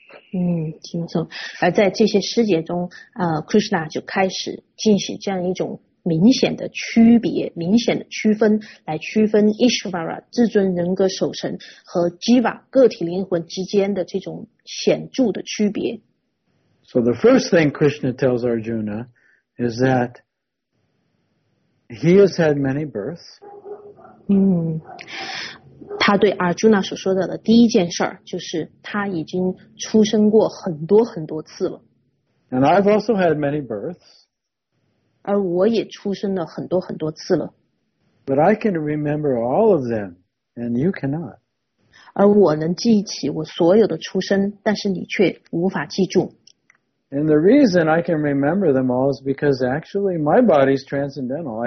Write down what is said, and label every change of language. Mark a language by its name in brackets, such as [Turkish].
[Chinese] 听说，而在这些师节中，Krishna 就开始进行这样一种明显的区别，明显的区分，来区分 Ishvara 至尊人格守神和 Jiva 个体灵魂之间的这种显著的区别。 [English] So the first thing Krishna tells Arjuna is that he has had many births. [Chinese] 他对 Arjuna 所说的第一件事儿，就是他已经出生过很多很多次了。 [English] And I've also had many births. [Chinese] 而我也出生了很多很多次了。 [English] But I can remember all of them, and you cannot. [Chinese] 而我能记起我所有的出生，但是你却无法记住。 [English] And the reason I can remember them all is because actually my body is transcendental.